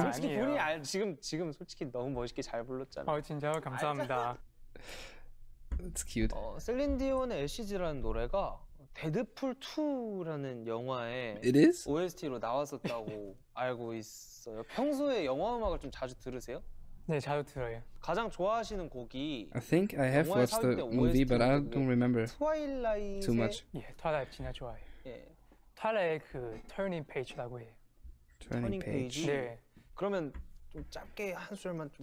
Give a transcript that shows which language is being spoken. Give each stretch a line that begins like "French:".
Korean: 솔직히 본인 알, 지금 솔직히 너무 멋있게 잘 불렀잖아요. 아, 진짜요? 감사합니다. 알잖아.
English: That's cute.
Korean: 어, 셀린 디온 LCG라는 노래가 데드풀 2라는 영화에
English: It is?
Korean: OST로 나왔었다고 알고 있어요. 평소에 영화 음악을 좀 자주 들으세요? 네, 자주 들어요. 가장 좋아하시는 곡이
English: I think I have watched the movie but I don't remember.
Korean: 트와일라이트
English: too much.
Korean: 예, 트와일라이트 진짜 좋아해요. 예. 트와일라이트 그 터닝 페이지라고 해요. 터닝 페이지. 네. 그러면 좀 짧게 한 소절만 좀